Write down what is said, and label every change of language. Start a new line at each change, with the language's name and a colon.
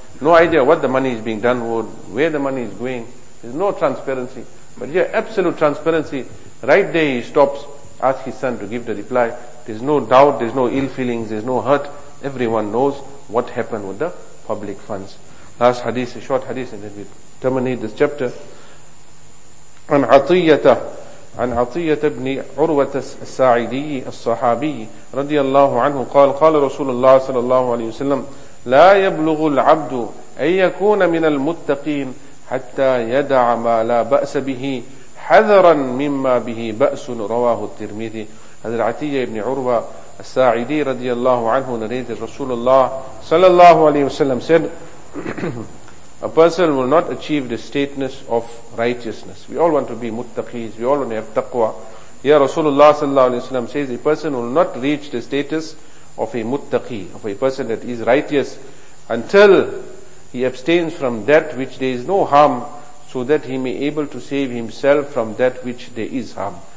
English: No idea what the money is being done with, where the money is going. There's no transparency. But here, absolute transparency. Right there he stops, asks his son to give the reply. There's no doubt, there's no ill feelings, there's no hurt. Everyone knows what happened with the public funds. Last hadith, a short hadith, and then we terminate this chapter.
Arabic: عن عطية بن عروة الساعدي الصحابي رضي الله عنه قال قال رسول الله صلى الله عليه وسلم لا يبلغ العبد أن يكون من المتقين حتى يدع ما لا بأس به حذرا مما به بأس رواه الترمذي. هذا عطية بن عروة الساعدي رضي الله عنه نريد رسول الله صلى الله عليه وسلم
English: said a person will not achieve the stateness of righteousness. We all want to be muttaqis, we all want to have taqwa. Here Rasulullah sallallahu alayhi wa sallam says, a person will not reach the status of a muttaqi, of a person that is righteous, until he abstains from that which there is no harm, so that he may able to save himself from that which there is harm.